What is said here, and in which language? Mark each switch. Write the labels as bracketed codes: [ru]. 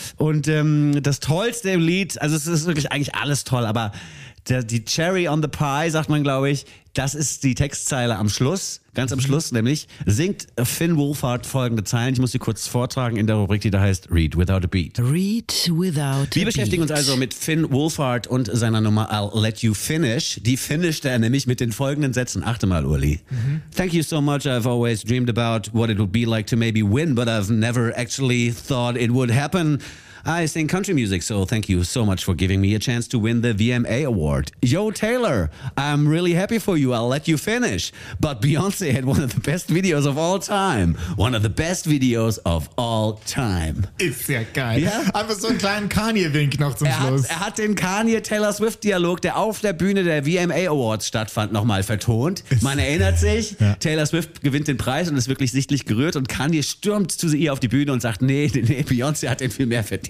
[de] Und das Tollste im Lied, also es ist wirklich eigentlich alles toll, aber die [en] Cherry on the Pie, [de] sagt man, glaube ich, das ist die Textzeile am Schluss, ganz am Schluss nämlich, singt Finn Wolfhard folgende Zeilen. Ich muss sie kurz vortragen in der Rubrik, die da heißt Read Without a Beat. [en] Read Without a Beat. [de] Wir beschäftigen uns also mit Finn Wolfhard und seiner Nummer I'll Let You Finish. Die finisht er nämlich mit den folgenden Sätzen. Achte mal, Uli. Mhm. [en] Thank you so much, I've always dreamed about what it would be like to maybe win, but I've never actually thought it would happen. I sing country music, so thank you so much for giving me a chance to win the VMA award. Yo, Taylor, I'm really happy for you. I'll let you finish. But Beyonce had one of the best videos of all time. One of the best videos of all time. [de] Ist ja geil. Ja? Einfach so einen kleinen Kanye-Wink noch zum Schluss. Er hat den Kanye-Taylor-Swift-Dialog, der auf der Bühne der VMA Awards stattfand, nochmal vertont. Man erinnert sich, ja. Taylor Swift gewinnt den Preis und ist wirklich sichtlich gerührt und Kanye stürmt zu ihr auf die Bühne und sagt, nee, Beyonce hat den viel mehr verdient.